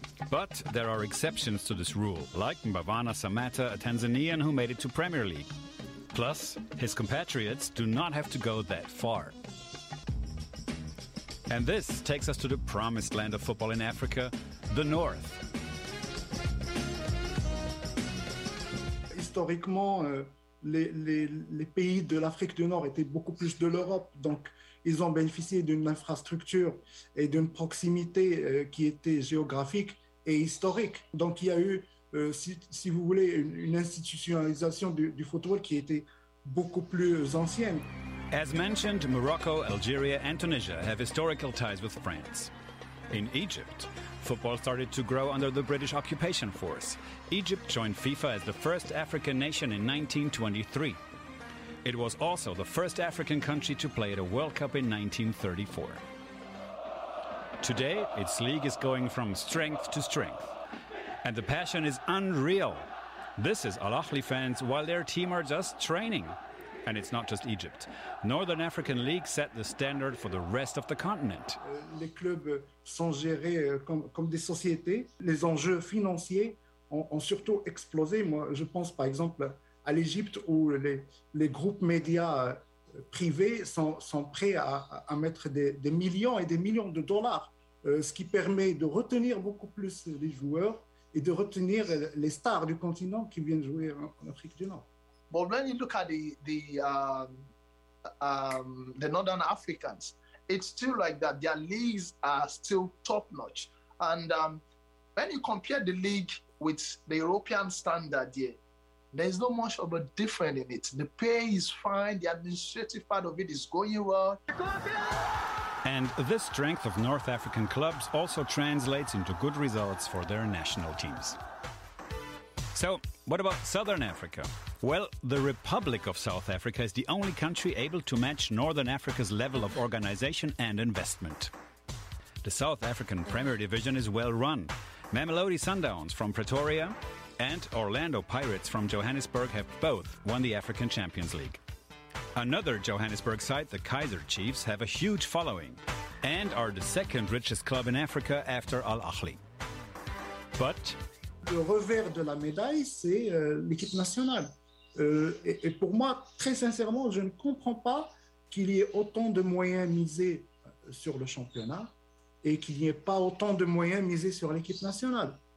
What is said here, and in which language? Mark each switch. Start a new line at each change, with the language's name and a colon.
English: But there are exceptions to this rule, like Mbwana Samata, a Tanzanian who made it to Premier League. Plus, his compatriots do not have to go that far. And this takes us to the promised land of football in Africa, the North.
French: Historiquement, les pays de l'Afrique du Nord étaient beaucoup plus de l'Europe, donc ils ont bénéficié d'une infrastructure et d'une proximité qui était géographique et historique. Donc il y a eu, si vous voulez, une institutionnalisation du football qui était beaucoup plus ancienne.
English: As mentioned, Morocco, Algeria and Tunisia have historical ties with France. In Egypt, football started to grow under the British occupation force. Egypt joined FIFA as the first African nation in 1923. It was also the first African country to play at a World Cup in 1934. Today, its league is going from strength to strength. And the passion is unreal. This is Al Ahly fans while their team are just training. And it's not just Egypt. Northern African League set the standard for the rest of the continent.
French: Les clubs sont gérés comme des sociétés. Les enjeux financiers ont surtout explosé. Moi, je pense par exemple à l'Égypte où les groupes médias privés sont prêts à mettre des millions et des millions de dollars, ce qui permet de retenir beaucoup plus les joueurs et de retenir les stars du continent qui viennent jouer en Afrique du Nord.
English: But when you look at the Northern Africans, it's still like that. Their leagues are still top-notch. And when you compare the league with the European standard, yeah, there's not much of a difference in it. The pay is fine. The administrative part of it is going well. And this strength of North African clubs also translates into good results for their national teams. So, what about Southern Africa? Well, the Republic of South Africa is the only country able to match Northern Africa's level of organization and investment. The South African Premier Division is well run. Mamelodi Sundowns from Pretoria and Orlando Pirates from Johannesburg have both won the African Champions League. Another Johannesburg side, the Kaizer Chiefs, have a huge following and are the second richest club in Africa after Al Ahly. But
French: le revers de la médaille, c'est l'équipe nationale. Et pour moi, très sincèrement, je ne comprends pas qu'il y ait autant de moyens misés sur le championnat et qu'il n'y ait pas autant de moyens misés sur l'équipe nationale.